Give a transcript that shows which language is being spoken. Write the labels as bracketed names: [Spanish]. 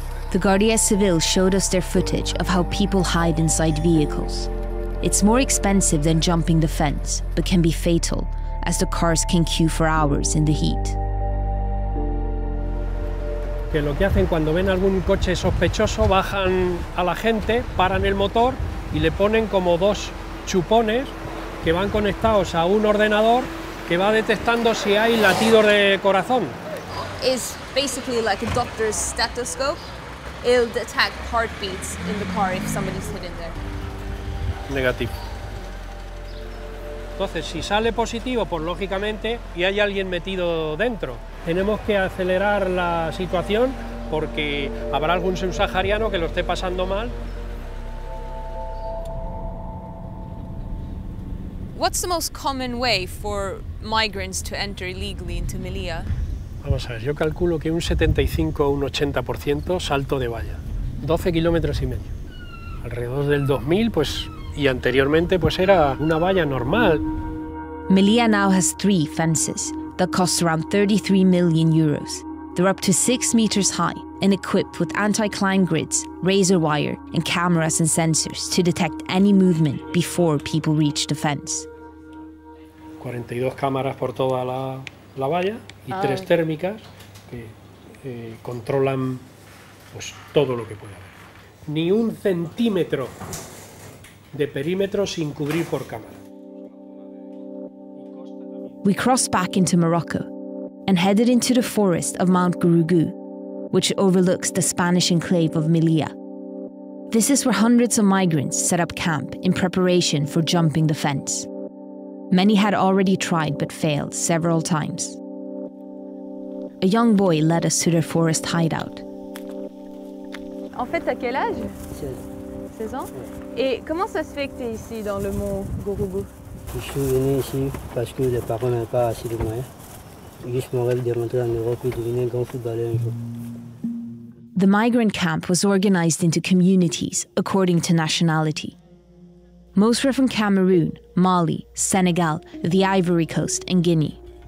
[English] The Guardia Civil showed us their footage of how people hide inside vehicles. It's more expensive than jumping the fence, but can be fatal, as the cars can queue for hours in the heat. [Spanish] Que lo que hacen cuando ven algún coche sospechoso, bajan a la gente, paran el motor y le ponen como dos chupones que van conectados a un ordenador que va detectando si hay latidos de corazón. [English] It's basically like a doctor's stethoscope. It'll detect heartbeats in the car if somebody's hidden there. [Spanish] Negativo. Entonces, si sale positivo, pues lógicamente, y hay alguien metido dentro. Tenemos que acelerar la situación porque habrá algún subsahariano que lo esté pasando mal. [English] What's the most common way for migrants to enter illegally into Melilla? [Spanish] Vamos a ver, yo calculo que un 75 o un 80% salto de valla. 12 kilómetros y medio. Alrededor del 2000, pues, y anteriormente, pues era una valla normal. [English] Melilla now has three fences that cost around 33 million euros. They're up to 6 meters high and equipped with anti-climb grids, razor wire, and cameras and sensors to detect any movement before people reach the fence. [Spanish] 42 cameras por toda la valla y tres térmicas que controlan pues todo lo que puede haber. Ni un centímetro de perímetro sin cubrir por cámara. [English] We crossed back into Morocco and headed into the forest of Mount Gourougou, which overlooks the Spanish enclave of Melilla. This is where hundreds of migrants set up camp in preparation for jumping the fence. Many had already tried but failed several times. A young boy led us to their forest hideout. [French] En fait, à quel âge? 16. 16 ans? Ouais. Et comment ça se fait que tu es ici dans le mont Gourougou? Je suis venu ici parce que les parents n'avaient pas assez de moyens. Juste mon rêve de rentrer en Europe et devenir un grand footballeur un jour. [English] The migrant camp was organized into communities according to nationality. Most were from Cameroon, Mali, Senegal, the Ivory Coast, and Guinea.